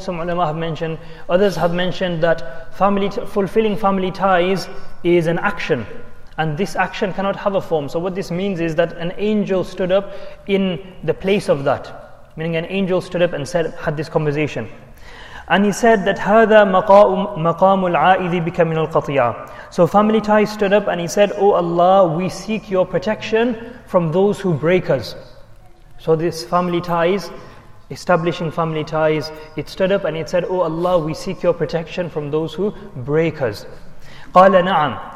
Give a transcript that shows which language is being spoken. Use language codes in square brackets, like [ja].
[en] Some ulama have mentioned, others have mentioned that fulfilling family ties is an action, and this action cannot have a form. So what this means is that an angel stood up in the place of that, meaning an angel stood up and said, had this conversation. And he said that [ar] هذا مقام العائذ بك من القطيع. [en] So family ties stood up and he said, oh Allah, we seek your protection from those who break us. So this family ties, establishing family ties, it stood up and it said, oh Allah, we seek your protection from those who break us. [ar] قال نعم.